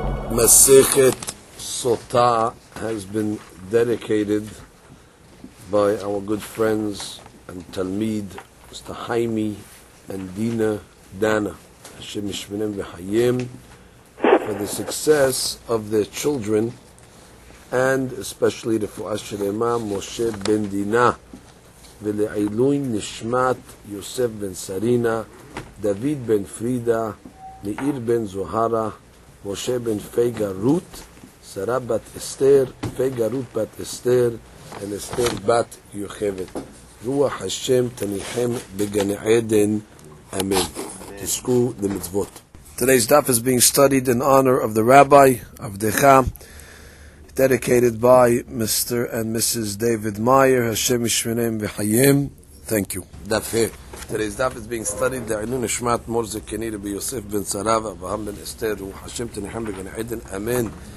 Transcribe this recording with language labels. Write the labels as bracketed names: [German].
[English] Masechet Sota has been dedicated by our good friends and Talmid, Mr. Haimi and Dina Dana, Hashem Yishmonem V'Chayim, for the success of their children, and especially the Fu'as Shelema Moshe Ben Dina, [Hebrew] ולעילוי נשמת יוסף בן סרינה, דוד בן פרידה, נעיר בן זוהרה, משה בן פייגה רות, שרה בת אסתר, פייגה רות בת אסתר, אל אסתר בת יוכבת. רוח השם תניחם בגן עדן, אמן. תזכו למצוות. [English] Today's daf is being studied in honor of the rabbi, עבדך, dedicated by Mr. and Mrs. David Meyer, Hashem Yishmonem V'Chayim. Thank you. Daf here. Today's daf is being studied. The Ilui Nishmat Morze Kenira by Yosef Ben Sarav, Abraham Ben Esther, [Hebrew] Ruach Hashem Tenechem B'Gan Eden. Amen.